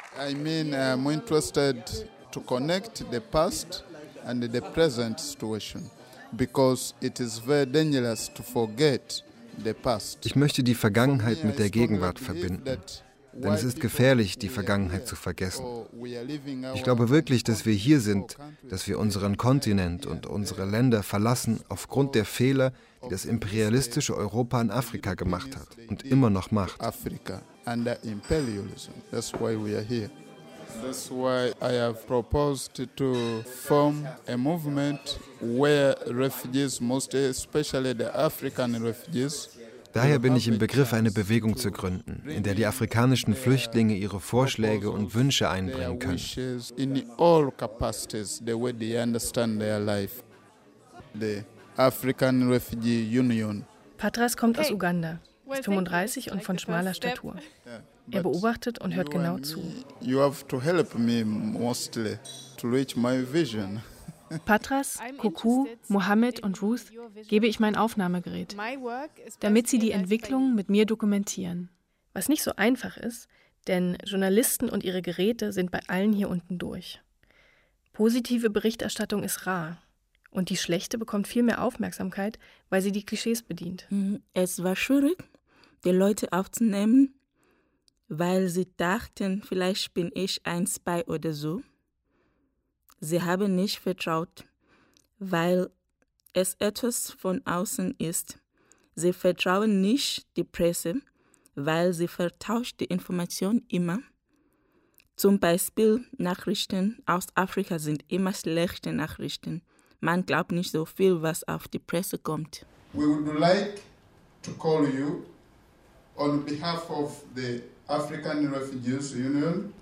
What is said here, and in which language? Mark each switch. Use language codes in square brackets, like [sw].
[en] I mean, I'm interested to connect the past and the present situation, because it is very dangerous to forget the past. [de] Ich möchte die Vergangenheit mit der Gegenwart verbinden. Denn es ist gefährlich, die Vergangenheit zu vergessen. Ich glaube wirklich, dass wir hier sind, dass wir unseren Kontinent und unsere Länder verlassen aufgrund der Fehler, die das imperialistische Europa in Afrika gemacht hat und immer noch macht. [en] Afrika under imperialism. That's why we are here. That's why I have proposed to form a movement where refugees, most especially the African refugees, [de] Daher bin ich im Begriff, eine Bewegung zu gründen, in der die afrikanischen Flüchtlinge ihre Vorschläge und Wünsche einbringen können. Patras kommt aus Uganda, ist 35 und von schmaler Statur. Er beobachtet und hört genau zu. [en] You have to help me mostly to reach my vision. [de] Patras, Kuku, Mohammed und Ruth gebe ich mein Aufnahmegerät, damit sie die Entwicklung mit mir dokumentieren. Was nicht so einfach ist, denn Journalisten und ihre Geräte sind bei allen hier unten durch. Positive Berichterstattung ist rar. Und die schlechte bekommt viel mehr Aufmerksamkeit, weil sie die Klischees bedient. Es war schwierig, die Leute aufzunehmen, weil sie dachten, vielleicht bin ich ein Spy oder so. Sie haben nicht vertraut, weil es etwas von außen ist. Sie vertrauen nicht die Presse, weil sie vertauscht die Information immer. Zum Beispiel Nachrichten aus Afrika sind immer schlechte Nachrichten. Man glaubt nicht so viel, was auf die Presse kommt. [en] We would like to call you on behalf of the African Refugees Union.